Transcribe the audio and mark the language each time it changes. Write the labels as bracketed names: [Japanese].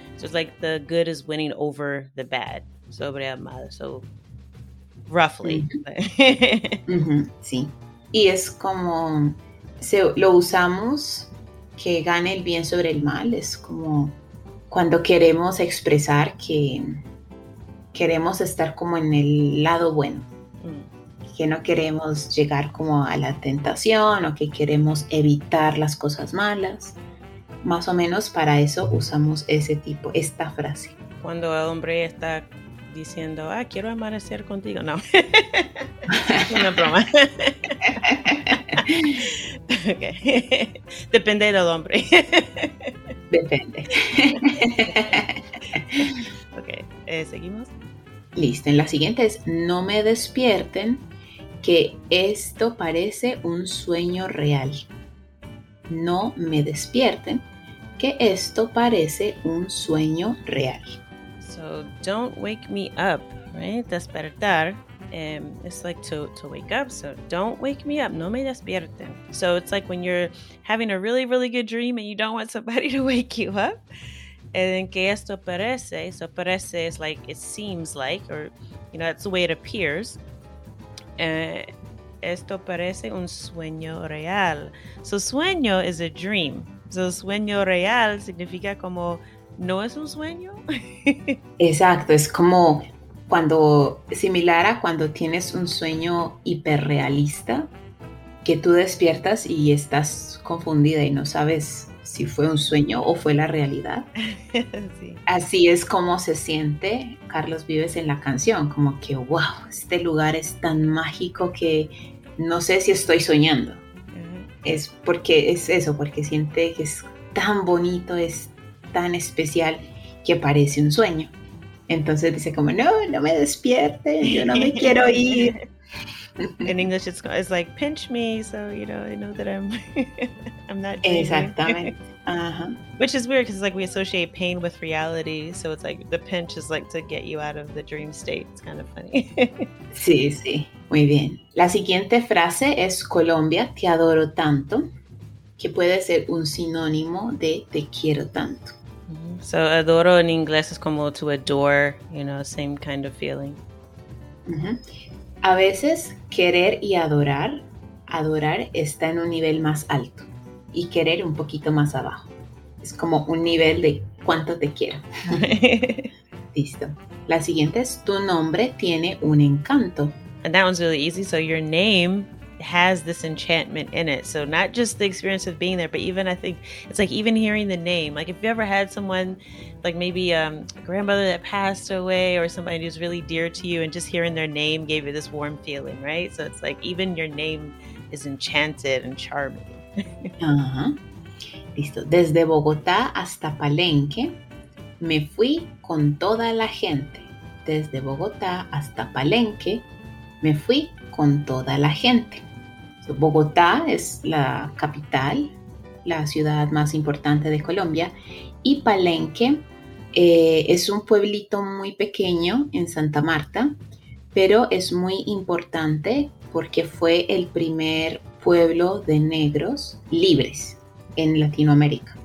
[English] So it's like the good is winning over the bad, [Spanish] sobre el mal, [English] so roughly. [Spanish] Mm-hmm. Mm-hmm, sí. Y es como, lo usamos, que gane el bien sobre el mal, es como cuando queremos expresar que queremos estar como en el lado bueno, que no queremos llegar como a la tentación o que queremos evitar las cosas malas. Más o menos para eso usamos ese tipo, esta frase. Cuando el hombre está diciendo, ah, quiero amanecer contigo. No, una broma. Okay. Depende del hombre. Depende. Ok, seguimos. Listo, en la siguiente es, no me despierten, que esto parece un sueño real. No me despierten, que esto parece un sueño real. [English] So, don't wake me up, right? Despertar It's like to wake up. So don't wake me up. [Spanish] No me despierten. [English] So it's like when you're having a really, really good dream and you don't want somebody to wake you up. And [Spanish] que esto parece. [English] So parece is like it seems like, or, you know, that's the way it appears. [Spanish] Esto parece un sueño real. So sueño [English] is a dream. [Spanish] So sueño real significa como no es un sueño. Exacto. Es como cuando, similar a cuando tienes un sueño hiperrealista, que tú despiertas y estás confundida y no sabes si fue un sueño o fue la realidad. Sí. Así es como se siente Carlos Vives en la canción, como que, wow, este lugar es tan mágico que no sé si estoy soñando. Uh-huh. Es porque es eso, porque siente que es tan bonito, es tan especial que parece un sueño. Entonces dice como, no, no me despierten, yo no me quiero ir. [English] In English, it's like, pinch me, so, you know, I know that I'm not dreaming. [Spanish] Exactamente. Uh-huh. [English] Which is weird, because it's like we associate pain with reality, so it's like the pinch is like to get you out of the dream state. It's kind of funny. [Spanish] Sí, sí. Muy bien. La siguiente frase es, Colombia, te adoro tanto, que puede ser un sinónimo de te quiero tanto. [English] So, adoro in English is como to adore, you know, same kind of feeling. [Spanish] Uh-huh. A veces, querer y adorar, adorar está en un nivel más alto y querer un poquito más abajo. Es como un nivel de cuánto te quiero. Listo. La siguiente es, tu nombre tiene un encanto. [English] And that one's really easy. So, your name has this enchantment in it. So not just the experience of being there, but even I think it's like even hearing the name, like if you ever had someone like maybe a grandmother that passed away or somebody who's really dear to you, and just hearing their name gave you this warm feeling, right? So it's like even your name is enchanted and charming. [Spanish] Uh-huh. Listo. Desde Bogotá hasta Palenque me fui con toda la gente. Desde Bogotá hasta Palenque me fui con toda la gente. So, Bogotá es la capital, la ciudad más importante de Colombia, y Palenque es un pueblito muy pequeño en Santa Marta, pero es muy importante porque fue el primer pueblo de negros libres en Latinoamérica.